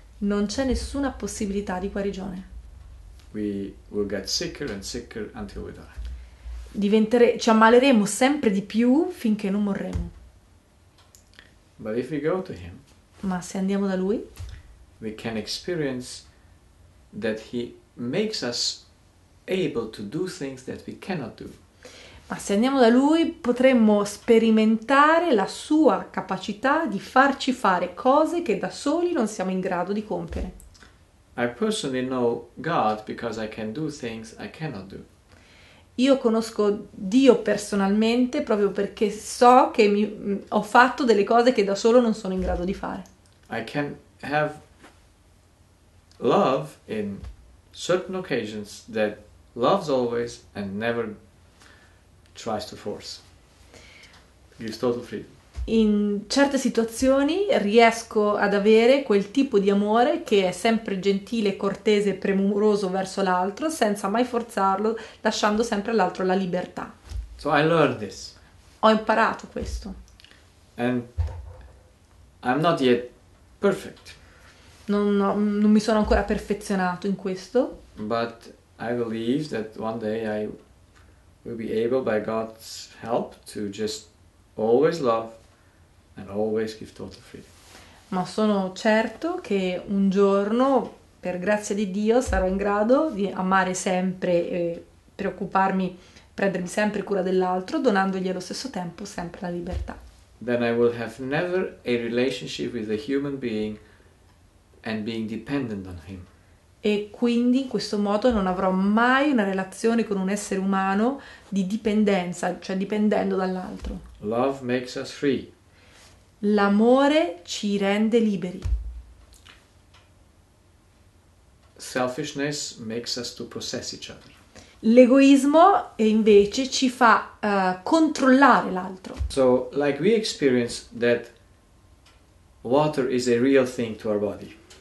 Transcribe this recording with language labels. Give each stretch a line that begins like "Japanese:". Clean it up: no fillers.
Italian: Non c'è nessuna possibilità di guarigione.
English: We will get sicker and sicker until we die.
Italian: Ci ammaleremo sempre di più finché non morremo.
English: But if we go to him,
Italian: ma se andiamo da Lui,
English: we can experience that he makes us able to do things that we cannot do.
Italian: Ma se andiamo da Lui, potremmo sperimentare la sua capacità di farci fare cose che da soli non siamo in grado di compiere.
English: I personally know God because I can do things I cannot do.
Italian: Io conosco Dio personalmente proprio perché so che ho fatto delle cose che da solo non sono in grado di fare.
English: I can have love in certain occasions that loves always and never tries to force. Gives total freedom.
Italian: In certe situazioni riesco ad avere quel tipo di amore che è sempre gentile, cortese e premuroso verso l'altro senza mai forzarlo, lasciando sempre all'altro la libertà.
English: So I learned this.
Italian: Ho imparato questo.
English: And I'm not yet perfect.
Italian: Non mi sono ancora perfezionato in questo.
English: But I believe that one day I will be able, by God's help, to just always love and always give total freedom.
Italian: Ma sono certo che un giorno, per grazia di Dio, sarò in grado di amare sempre e preoccuparmi, prendermi sempre cura dell'altro, donandogli allo stesso tempo sempre la libertà.
English: Then I will have never a relationship with a human being and being dependent on him.
Italian: E quindi in questo modo non avrò mai una relazione con un essere umano di dipendenza, cioè dipendendo dall'altro.
English: Love makes us free.
Italian: L'amore ci rende liberi.
English: Selfishness makes us to possess each other.
Italian: L'egoismo invece ci fa controllare l'altro.
English: So, like we experience that water is a real thing to our body.